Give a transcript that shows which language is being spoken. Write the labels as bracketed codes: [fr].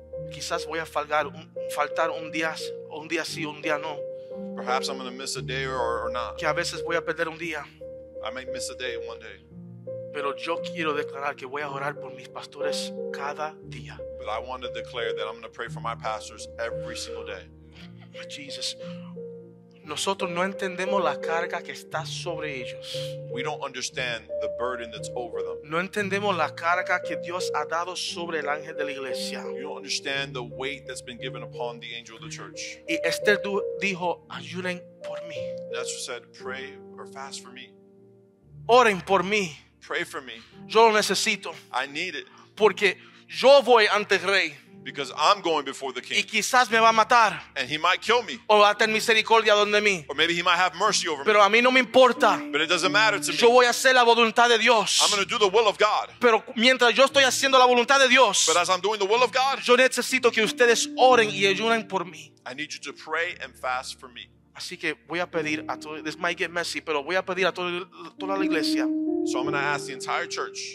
[es] Quizás voy a faltar un día sí, un día no. [en] Perhaps I'm going to miss a day or not. [es] Que a veces voy a perder un día. [en] I may miss a day one day. [es] Pero yo quiero declarar que voy a orar por mis pastores cada día. [en] But I want to declare that I'm going to pray for my pastors every single day. Jesus. [es] Nosotros no entendemos la carga que está sobre ellos. [en] We don't understand the burden that's over them. [es] No entendemos la carga que Dios ha dado sobre el ángel de la iglesia. [en] You don't understand the weight that's been given upon the angel of the church. [es] Y Esther dijo, ayunen por mí. [en] Esther said, pray or fast for me. [es] Oren por mí. [en] Pray for me. [es] Yo lo necesito. [en] I need it. [es] Porque yo voy ante el rey. [en] Because I'm going before the king. [es] Y quizás me va a matar. [en] And he might kill me. [es] O va a tener misericordia donde mí. [en] Or maybe he might have mercy over [es] Pero [en] me. [es] A mí no me importa. [en] But it doesn't matter to me. [es] Yo voy a hacer la voluntad de Dios. [en] I'm going to do the will of God. [es] Pero mientras yo estoy haciendo la voluntad de Dios, [en] but as I'm doing the will of God, [es] yo necesito que ustedes oren y ayunen por mí. [en] I need you to pray and fast for me. [es] Así que voy a pedir a todo, [en] this might get messy, [es] pero voy a pedir a todo, toda la iglesia. [en] So I'm going to ask the entire church.